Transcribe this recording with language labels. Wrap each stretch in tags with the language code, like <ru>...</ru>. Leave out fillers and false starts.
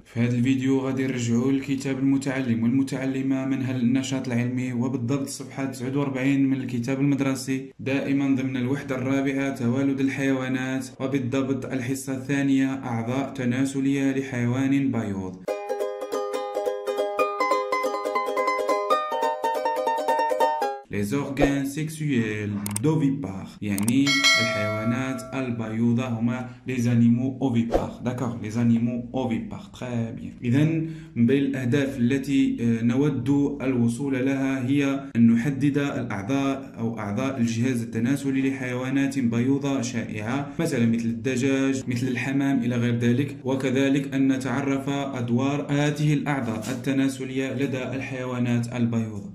<ar>في هذا الفيديو غادي نرجعوا لكتاب المتعلم والمتعلمة من النشاط العلمي، وبالضبط صفحة 49 من الكتاب المدرسي، دائما ضمن الوحدة الرابعة توالد الحيوانات، وبالضبط الحصة الثانية أعضاء تناسلية لحيوان بيوض.</ar> <fr>Les organes sexuels d'ovipare, يعني الحيوانات البيوضة هما les animaux ovipares. D'accord, les animaux ovipares. Très bien.</fr> <ar>إذن بالأهداف التي نود الوصول لها هي أن نحدد الأعضاء أو أعضاء الجهاز التناسلي لحيوانات بيوضة شائعة، مثلا مثل الدجاج، مثل الحمام إلى غير ذلك، وكذلك أن نتعرف أدوار هذه الأعضاء التناسلية لدى الحيوانات البيوضة.</ar>